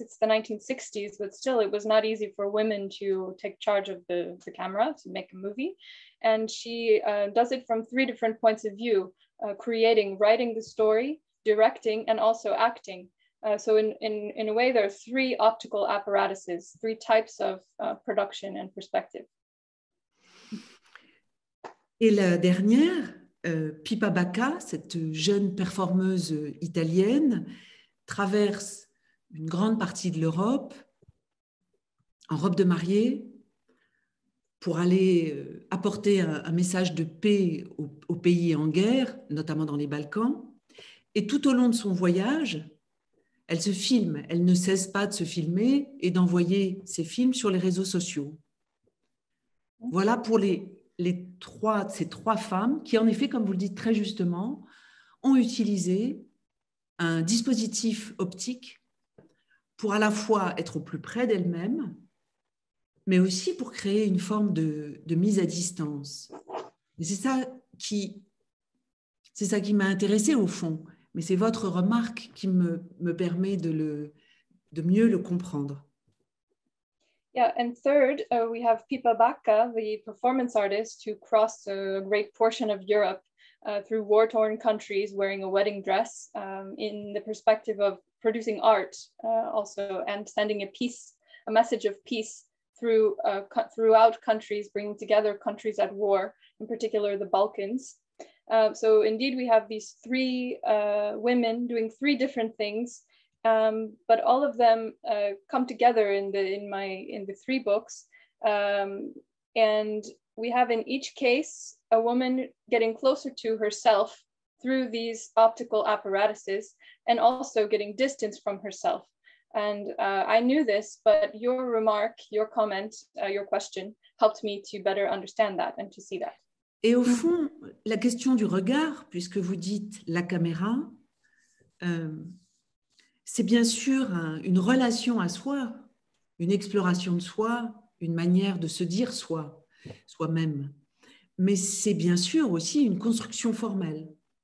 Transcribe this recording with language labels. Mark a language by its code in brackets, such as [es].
[en] It's the 1960s, but still it was not easy for women to take charge of the camera to make a movie. And she does it from three different points of view, creating, writing the story, directing, and also acting. So in a way, there are three optical apparatuses, three types of production and perspective. [fr] Et la dernière, Pippa Bacca, cette jeune performeuse italienne, traverse une grande partie de l'Europe en robe de mariée pour aller apporter un message de paix aux pays en guerre, notamment dans les Balkans. Et tout au long de son voyage, elle se filme, elle ne cesse pas de se filmer et d'envoyer ses films sur les réseaux sociaux. Voilà pour ces trois femmes qui, en effet, comme vous le dites très justement, ont utilisé un dispositif optique pour à la fois être au plus près d'elles-mêmes, mais aussi pour créer une forme de mise à distance. Et c'est ça qui C'est ça qui m'a intéressée au fond, mais c'est votre remarque qui me permet de mieux le comprendre. [en] Yeah, and third, we have Pippa Bakka, the performance artist who crossed a great portion of Europe through war-torn countries wearing a wedding dress in the perspective of producing art also and sending a peace, a message of peace through throughout countries, bringing together countries at war, in particular the Balkans. So indeed, we have these three women doing three different things. But all of them come together in the three books, and we have in each case a woman getting closer to herself through these optical apparatuses, and also getting distance from herself. And I knew this, but your remark, your comment, your question helped me to better understand that and to see that. [fr] Et au fond, la question du regard, puisque vous dites la caméra. C'est bien sûr une relation à soi, une exploration de soi, une manière de se dire soi, soi-même. Mais c'est bien sûr aussi une construction formelle.